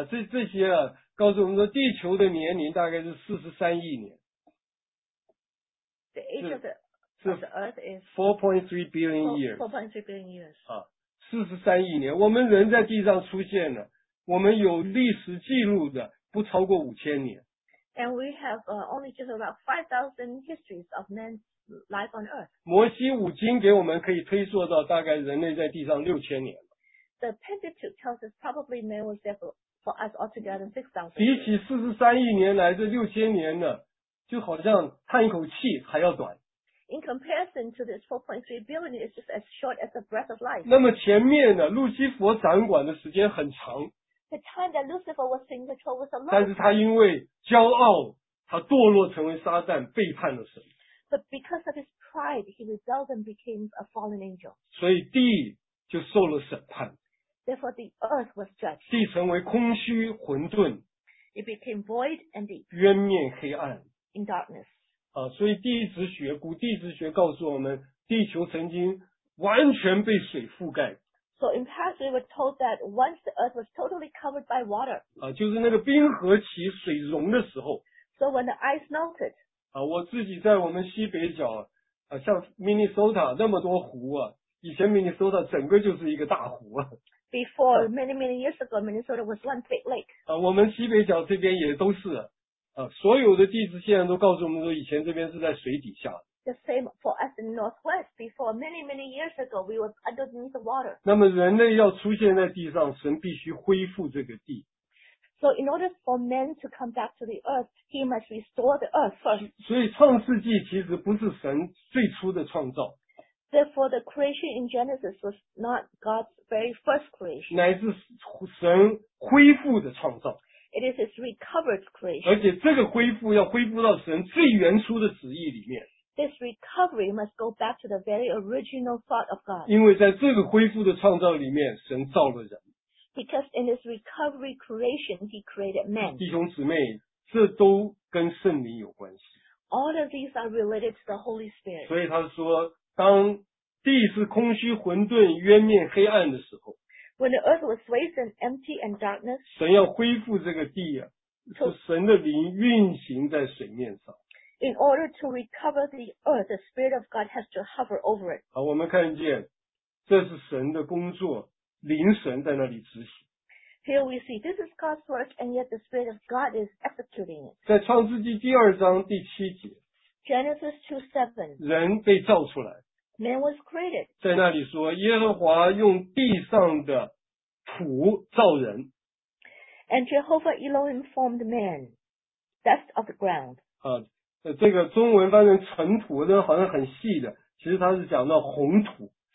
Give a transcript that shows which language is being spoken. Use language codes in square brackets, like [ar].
[zh] 这些啊，告诉我们说，地球的年龄大概是43亿年。 [en] The age of the Earth is 4.3 billion years. 4.3 billion years. [zh] 43亿年，我们人在地上出现了，我们有历史记录的不超过5000年。 [en] And we have only just about 5,000 histories of man's life on Earth. [zh] 摩西五经给我们可以推溯到大概人类在地上6000年。 [en] The Pentateuch tells us probably man was there for us altogether 6,000 years. [zh] 比起43亿年来这6000年呢，就好像叹一口气还要短。 [en] In comparison to this 4.3 billion, it's just as short as the breath of life. [zh] 那么前面呢，路西佛掌管的时间很长。 [en] The time that Lucifer was in control was a long. [zh] 但是他因为骄傲，他堕落成为撒旦，背叛了神。 [en] But because of his pride, he rebelled and became a fallen angel. [zh] 所以地。就受了审判。 [en] Therefore, the earth was judged. [zh] 地成为空虚混沌。 [en] It became void and deep. [zh] 渊面黑暗。 [en] In darkness. [zh] 所以地质学，古地质学告诉我们，地球曾经完全被水覆盖。 [en] So in past, we were told that once the earth was totally covered by water. [zh] 啊，就是那个冰河起水融的时候。 [en] So when the ice melted. [zh] 啊，我自己在我们西北角，啊，像 Minnesota 那么多湖啊，以前 Minnesota 整个就是一个大湖啊。 [en] Before many many years ago, Minnesota was one big lake. [zh] 啊，我们西北角这边也都是，啊，所有的地质现在都告诉我们说，以前这边是在水底下。 [en] The same for us in the Northwest. Before many many years ago, we were underneath the water. [zh] 那么人类要出现在地上，神必须恢复这个地。 [en] So in order for men to come back to the earth, he must restore the earth first. [zh] 所以创世纪其实不是神最初的创造。 [en] Therefore, the creation in Genesis was not God's very first creation. [zh] 乃是神恢复的创造。 [en] It is his recovered creation. [zh] 而且这个恢复要恢复到神最原初的旨意里面。 [en] This recovery must go back to the very original thought of God. [zh] 因为在这个恢复的创造里面，神造了人。 [en] Because in his recovery creation, he created man. [zh] 弟兄姊妹，这都跟圣灵有关系。 [en] All of these are related to the Holy Spirit. [zh] 所以他说，当地是空虚混沌、渊面黑暗的时候， [en] When the earth was wasted, empty and darkness, [zh] 神要恢复这个地啊，是神的灵运行在水面上。 [en] In order to recover the earth, the Spirit of God has to hover over it. [zh] 好，我们看见，这是神的工作，灵神在那里执行。 [en] Here we see this is God's work, and yet the Spirit of God is executing it. [zh] 在创世纪第二章第七节。 [en] Genesis 2:7. [zh] 人被造出来。 [en] Man was created. [zh] 在那里说，耶和华用地上的土造人。 [en] And Jehovah Elohim formed man, dust of the ground. [zh] 啊，这个中文翻译成尘土，这好像很细的，其实它是讲到红土。